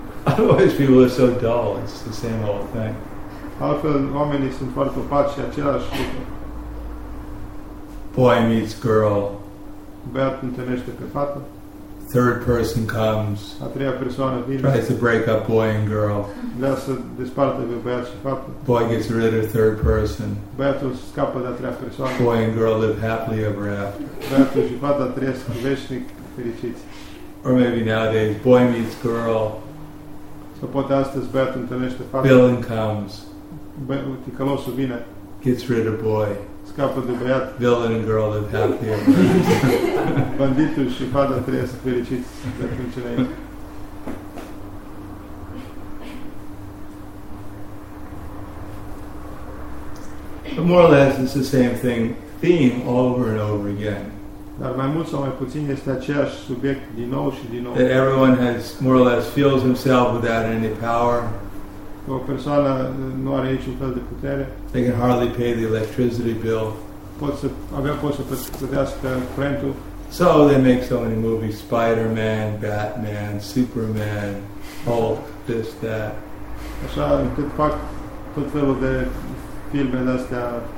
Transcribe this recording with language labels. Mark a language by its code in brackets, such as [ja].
[en] Otherwise people are so dull, it's the same old thing. [ro] Altfel, oamenii sunt foarte opaci și același lucru. [en] Boy meets girl. [ro] Băiat întâlnește pe fată. [en] Third person comes. [ro] A treia persoană vine. [en] Tries to break up boy and girl. [ro] Vrea să despartă pe băiat și fată. [en] Boy gets rid of third person. [ro] Băiatul scapă de a treia persoană. [en] Boy and girl live happily ever after. [ro] Băiatul și fata trăiesc veșnic fericiți. [en] Or maybe nowadays, boy meets girl. [ro] Să poate astăzi băiatul întâlnește fată. [en] Villain comes. [ro] Ticălosul vine. [en] Gets rid of boy. [ro] Scapă de băiat. [en] Villain and girl live happily ever after. [ro] Banditul și fata trăiesc fericiți de atunci înainte. [en] But more or less, it's the same thing, theme over and over again. [ro] Dar mai mult sau mai puțin este aceeași subiect din nou și din nou. [en] That everyone has more or less feels himself without any power. [ro] O persoană nu are niciun fel de putere. [en] They can hardly pay the electricity bill. [ro] Pot să plătească curentul. [en] So they make so many movies, Spider-Man, Batman, Superman, Hulk, this, that. [ro] Așa încât fac tot felul de filme de-astea.